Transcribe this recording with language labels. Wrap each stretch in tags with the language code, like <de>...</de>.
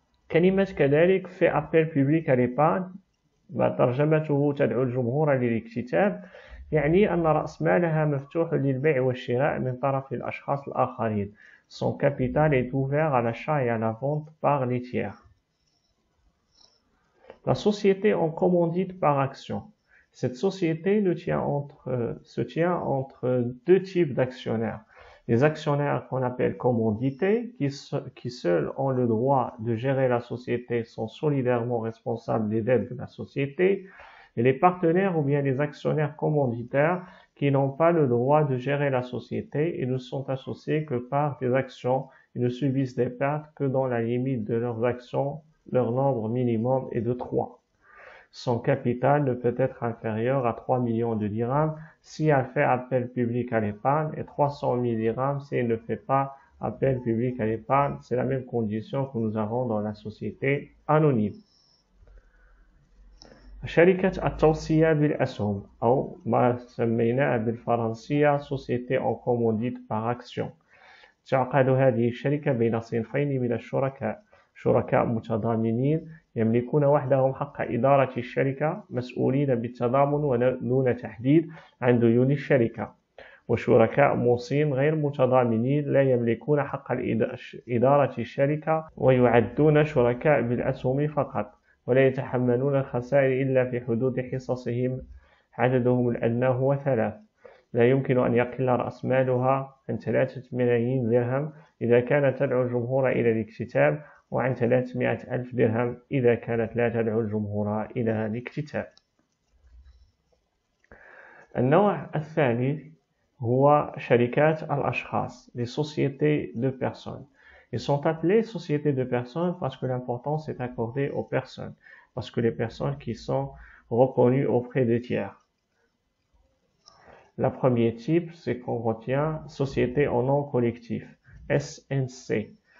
<ar>كلمة كذلك في أبل بيبليك ريبان، ما ترجمته تدعو الجمهور للاكتتاب، يعني أن رأس مالها مفتوح للبيع والشراء من طرف الأشخاص الآخرين.</ar> <fr>Son capital est ouvert à l'achat et à la vente par les tiers. La société en commandite par action. Cette société se tient entre deux types d'actionnaires. Les actionnaires qu'on appelle commandités, qui seuls ont le droit de gérer la société, sont solidairement responsables des dettes de la société. Et les partenaires ou bien les actionnaires commanditaires, qui n'ont pas le droit de gérer la société et ne sont associés que par des actions et ne subissent des pertes que dans la limite de leurs actions, leur nombre minimum est de 3. son capital ne peut être inférieur à 3 millions de dirhams si elle fait appel public à l'épargne et 300 000 dirhams si elle ne fait pas appel public à l'épargne. C'est la même condition que nous avons dans la société anonyme.</fr> <ar>شركة التوصية بالأسهم أو ما سميناه بالفرنسية سوسيتي أون كومونديت باغ أكسيون. تعقد هذه الشركة بين صنفين من الشركاء، شركاء متضامنين يملكون وحدهم حق إدارة الشركة مسؤولين بالتضامن ودون تحديد عن ديون الشركة، وشركاء موصين غير متضامنين لا يملكون حق إدارة الشركة ويعدون شركاء بالأسهم فقط. ولا يتحملون الخسائر إلا في حدود حصصهم عددهم الأدنى هو 3، لا يمكن أن يقل رأس مالها عن 3 ملايين درهم إذا كانت تدعو الجمهور إلى الاكتتاب وعن 300 ألف درهم إذا كانت لا تدعو الجمهور إلى الاكتتاب. النوع الثاني هو شركات الأشخاص</ar> <fr>les sociétés de personnes. Ils sont appelés sociétés de personnes parce que l'importance est accordée aux personnes, parce que les personnes qui sont reconnues auprès des tiers. Le premier type, c'est qu'on retient société en nom collectif, SNC.</fr>